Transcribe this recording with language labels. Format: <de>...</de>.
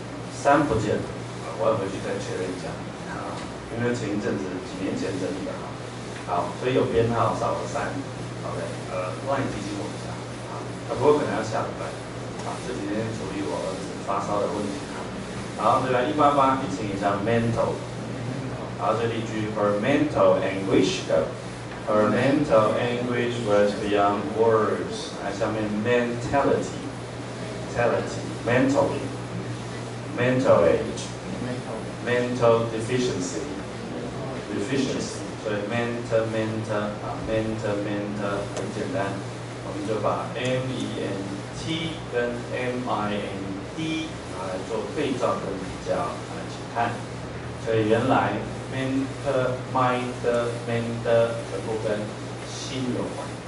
<zh>三不见了，我要回去再确认一下。好。因为前一阵子几年前整理的哈。好，所以有编号少了三 ，OK， 帮你提醒我一下。啊，不过可能要下礼拜。啊，这几天处理我儿子发烧的问题。好，再来188，提醒一下 mental。好，这里句</zh> <en>her mental anguish go。 Her mental anguish was beyond words。</en> <zh>来，下面</zh> <en>mental age，mental deficiency。</en> <zh>所以 mental 很简单，我们就把 M E N T 跟 M I N D 拿来做对照跟比较，来请看。所以原来 mental 全部跟心有关。</zh>